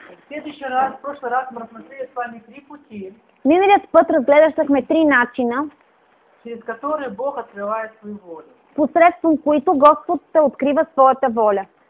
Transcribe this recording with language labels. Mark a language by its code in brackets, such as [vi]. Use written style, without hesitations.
[ru] В следующий раз, в прошлый раз мы рассмотрели с вами три пути. [bg] Миналият път разгледахме три начина, [ru] через которые Бог открывает свою волю. [bg] Посредством които Господ се открива своята воля.